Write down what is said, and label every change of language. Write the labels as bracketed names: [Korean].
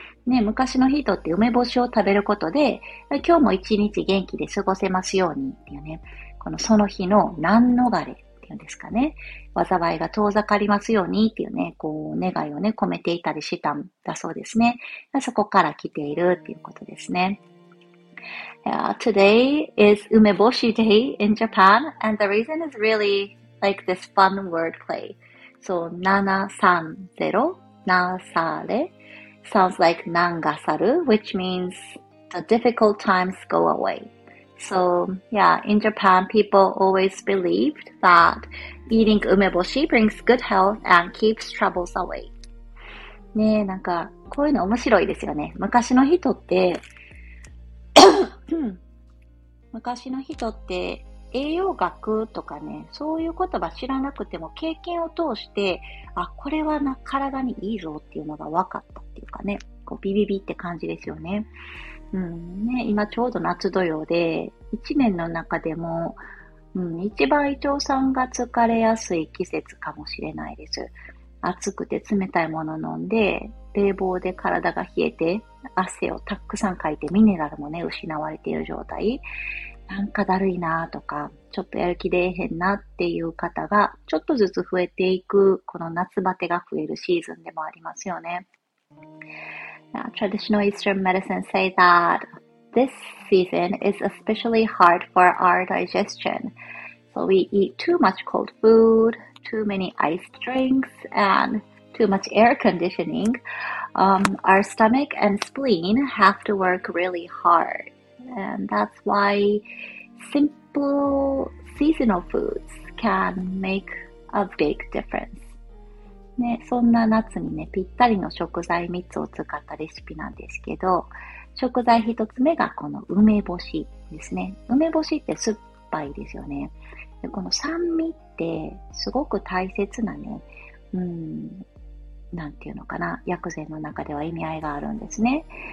[Japanese] ね、昔の人って梅干しを食べることで、今日も一日元気で過ごせますようにっていうね、このその日の難逃れっていうんですかね、災いが遠ざかりますようにっていうね、こう願いをね、込めていたりしたんだそうですね。そこから来ているっていうことですね。 [English] Yeah, today is 梅干し day in Japan, and the reason is really like this fun wordplay. So, 730, nasare, sounds like nangasaru, which means the difficult times go away. So, yeah, in Japan, people always believed that eating umeboshi brings good health and keeps troubles away. [Japanese] ねえ、なんか、こういうの面白いですよね。昔の人って、昔の人って、栄養学とかね、そういう言葉知らなくても経験を通して、あ、これはな、体にいいぞっていうのが分かったっていうかね、こうビビビって感じですよね。うん、ね、今ちょうど夏土曜で、一年の中でも、うん、一番胃腸さんが疲れやすい季節かもしれないです。暑くて冷たいもの飲んで、冷房で体が冷えて、汗をたくさんかいてミネラルもね、失われている状態。なんかだるいなぁとか、ちょっとやる気出えへんなっていう方が、ちょっとずつ増えていく、この夏バテが増えるシーズンでもありますよね。 [English] Traditional Eastern medicine say that this season is especially hard for our digestion. So we eat too much cold food, too many iced drinks, and too much air conditioning. Our stomach and spleen have to work really hard. And that's why simple seasonal foods can make a big difference. [Japanese] ね、そんな夏にね、ぴったりの食材3つを使ったレシピなんですけど、食材1つ目がこの梅干しですね。梅干しって酸っぱいですよね。で、この酸味ってすごく大切なね、なんていうのかな、薬膳の中では意味合いがあるんですね。